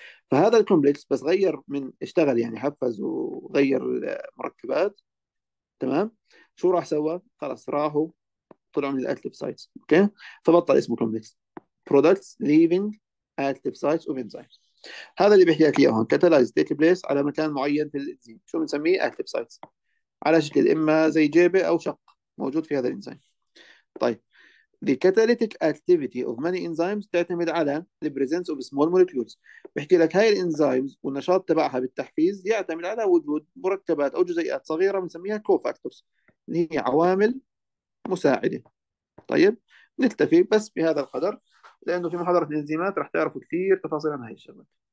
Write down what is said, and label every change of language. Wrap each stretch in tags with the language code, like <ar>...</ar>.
<ar>فهذا الكومبلكس بس غير من اشتغل، يعني حفز وغير المركبات، تمام؟ شو راح سوى؟ خلاص راحوا طلعوا من الاكتف سايتس، اوكي؟ فبطل اسمه</ar> <en>Complex products living active sites of enzymes.</en> <ar>هذا اللي بيحكي لك اياه هون،</ar> <en>catalyse take place</en> <ar>على مكان معين في الانزيم، شو بنسميه؟ اكتف سايتس، على شكل اما زي جيبه او شق موجود في هذا الانزيم.</ar> <en>طيب The catalytic activity of many enzymes</en> <ar>تعتمد على</ar> <en>the presence of small molecules.</en> <ar>بحكي لك هاي الانزيمز والنشاط تبعها بالتحفيز يعتمد على وجود مركبات او جزيئات صغيرة بنسميها cofactors، اللي هي عوامل مساعدة. طيب نكتفي بس بهذا القدر، لأنه في محاضرة الانزيمات راح تعرفوا كثير تفاصيل عن هاي الشغلة.</ar>